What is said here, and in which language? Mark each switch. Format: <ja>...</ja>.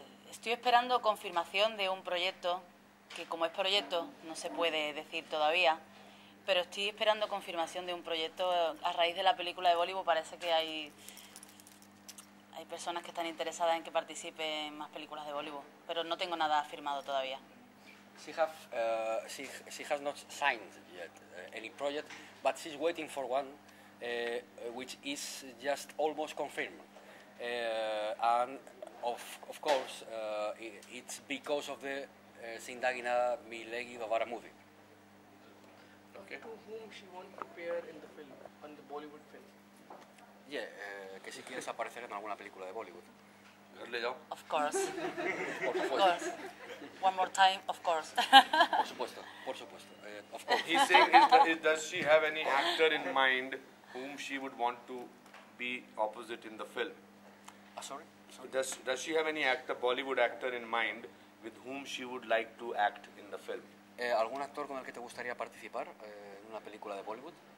<es>Estoy esperando confirmación de un proyecto, que como es proyecto no se puede decir todavía, pero estoy esperando confirmación de un proyecto a raíz de la película de Bollywood. Parece que hay personas que están interesadas en que participe en más películas de Bollywood, pero no tengo nada firmado todavía.</es> <en>She has not signed yet any project, but she's waiting for one, which is just almost confirmed. And of course, it's because of the Sindagina Milegi Bavara movie. Okay. To whom she wants to appear in the film, on the Bollywood film?</en> <es>Yeah, que si quieres aparecer en alguna película de Bollywood.</es> <en>Of course. Of course. One more time, of course.</en> <es>Por supuesto, por supuesto.</es> <en>Of course. He's saying, does she have any actor in mind whom she would want to be opposite in the film? Sorry? Does she have any actor, Bollywood actor in mind with whom she would like to act in the film?</en> <es>¿Algún actor con el que te gustaría participar en una película de Bollywood?</es>